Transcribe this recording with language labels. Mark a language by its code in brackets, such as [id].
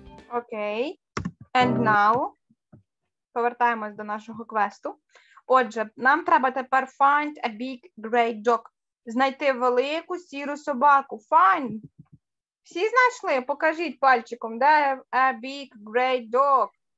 [uk] Окей, [en] and now [uk] повертаємось до нашого квесту. Отже, нам треба тепер [en] find a big grey dog. [uk] Знайти велику сіру собаку. [en] Find. [uk] Всі знайшли? Покажіть пальчиком, де [en] a big grey dog.